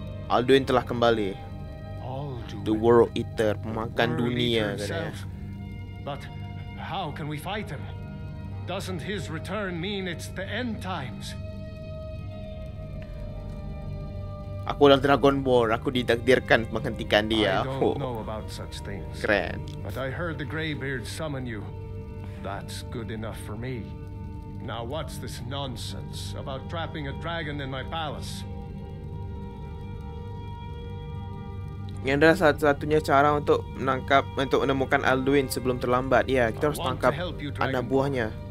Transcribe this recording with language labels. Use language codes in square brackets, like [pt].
[id] Alduin telah kembali. The World Eater, pemakan dunia katanya. [en] But how can we fight him? Doesn't his return mean it's the end times? [id] Aku adalah Dragonborn, aku ditakdirkan menghentikan dia. Oh. Keren. [en] But I heard the Greybeard summon you. That's good enough for me. Now what's this nonsense about trapping a dragon in my palace? [id] Ini adalah satu-satunya cara untuk menemukan Alduin sebelum terlambat. Ya, kita harus tangkap anak buahnya.